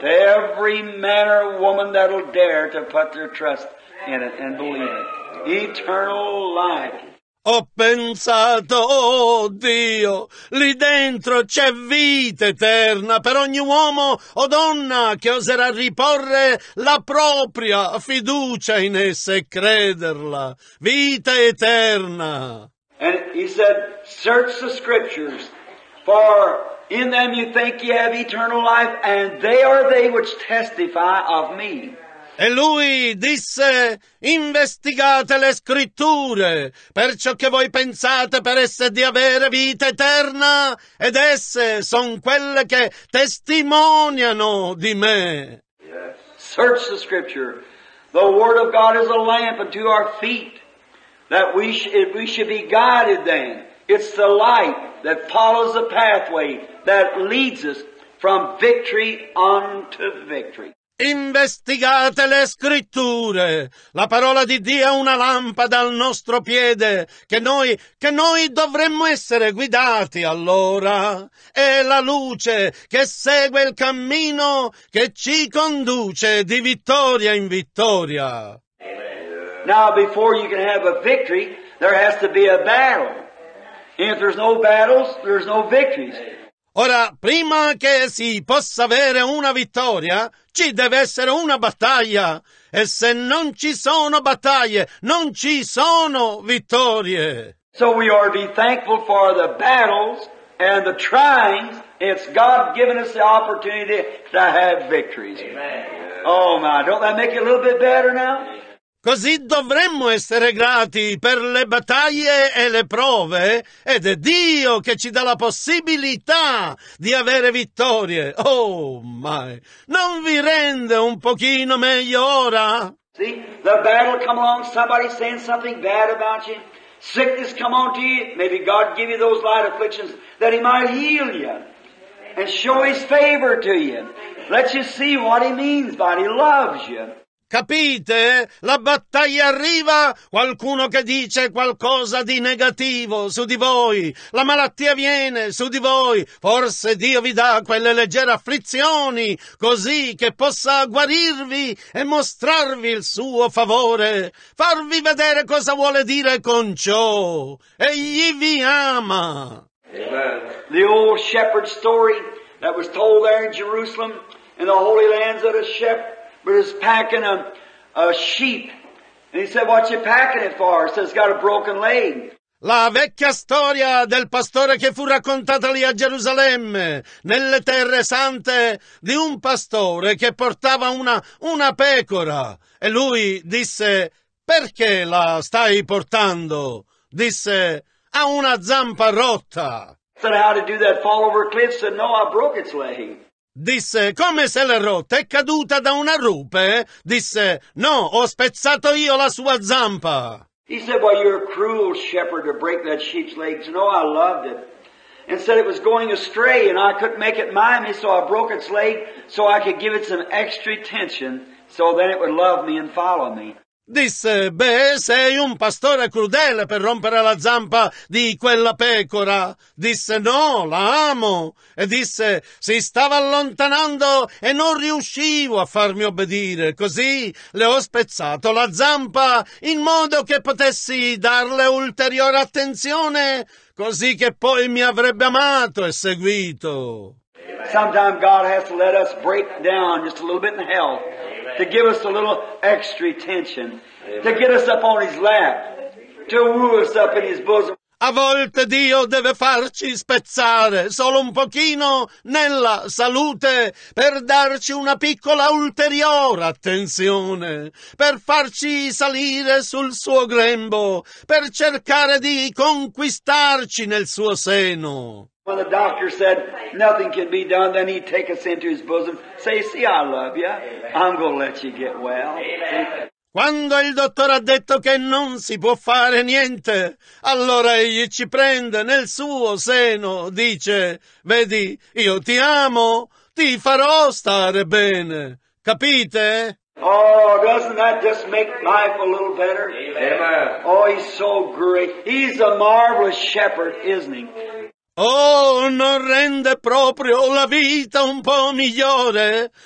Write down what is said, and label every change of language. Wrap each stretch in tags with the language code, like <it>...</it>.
<en>To every man or woman that'll dare to put their trust in it and believe it. Eternal life.</en> <it>Ho pensato, oh Dio, lì dentro c'è vita eterna per ogni uomo o donna che oserà riporre la propria fiducia in essa e crederla. Vita eterna.</it> <en>And he said, search the scriptures for in them you think you have eternal life, and they are they which testify of me.</en> <it>E lui disse, investigate le scritture, per ciò che voi pensate per essere di avere vita eterna, ed esse sono quelle che testimoniano di me.</it> <en>Yes. Search the scripture. The word of God is a lamp unto our feet, that we should be guided then. It's the light that follows the pathway that leads us from victory unto victory.</en> <it>Investigate le scritture. La parola di Dio è una lampada al nostro piede che noi dovremmo essere guidati allora. È la luce che segue il cammino che ci conduce di vittoria in vittoria. Amen.</it> <en>Now before you can have a victory, there has to be a battle. And if there's no battles, there's no victories.</en> <it>Ora, prima che si possa avere una vittoria, ci deve essere una battaglia. E se non ci sono battaglie, non ci sono vittorie.</it> <en>So we are to be thankful for the battles and the tryings. It's God giving us the opportunity to have victories. Amen. Oh my, don't that make it a little bit better now?</en> <it>Così dovremmo essere grati per le battaglie e le prove, ed è Dio che ci dà la possibilità di avere vittorie. Oh, my! Non vi rende un pochino meglio ora?</it> <en>See, the battle come along, somebody saying something bad about you. Sickness come on to you. Maybe God give you those light afflictions that He might heal you and show His favor to you. Let you see what He means by it. He loves you.</en> <it>Capite? La battaglia arriva, qualcuno che dice qualcosa di negativo su di voi, la malattia viene su di voi, forse Dio vi dà quelle leggere afflizioni così che possa guarirvi e mostrarvi il suo favore, farvi vedere cosa vuole dire con ciò. Egli vi ama. Amen.</it> <en>The old shepherd story that was told there in Jerusalem in the holy lands of the shepherd. but he was packing a sheep. And he said, what you packing it for? He said, it's got a broken leg.</en> <it>La vecchia storia del pastore che fu raccontata lì a Gerusalemme, nelle terre sante, di un pastore che portava una pecora. E lui disse, perché la stai portando? Disse, ha una zampa rotta.</it> <en>Said, how to do that fall over cliff? Said, no, I broke its leg.</en> <it>Disse, come se l'è rotta? È caduta da una rupe? Disse, no, ho spezzato io la sua zampa.</it> <en>He said, well, you're a cruel shepherd to break that sheep's legs. No, I loved it. And said it was going astray and I couldn't make it mind me, so I broke its leg so I could give it some extra attention so then it would love me and follow me.</en> <it>Disse, beh, sei un pastore crudele per rompere la zampa di quella pecora. Disse, no, la amo. E disse, si stava allontanando e non riuscivo a farmi obbedire. Così le ho spezzato la zampa in modo che potessi darle ulteriore attenzione, così che poi mi avrebbe amato e seguito.</it> <en>Sometimes God has to let us break down just a little bit in hell. To give us a little extra attention, to get us up on his lap, to woo us up in his bosom.</en> <it>A volte Dio deve farci spezzare solo un pochino nella salute per darci una piccola ulteriore attenzione, per farci salire sul suo grembo, per cercare di conquistarci nel suo seno.</it> <en>When the doctor said nothing can be done, then he'd take us into his bosom, say, see, I love you. I'm going to let you get well.</en> <it>Quando il dottore ha detto che non si può fare niente, allora egli ci prende nel suo seno, dice, vedi, io ti amo, ti farò stare bene. Capite?</it> <en>Oh, doesn't that just make life a little better? Amen. Oh, he's so great. He's a marvelous shepherd, isn't he?</en> <it>Oh, non rende proprio la vita un po' migliore?</it>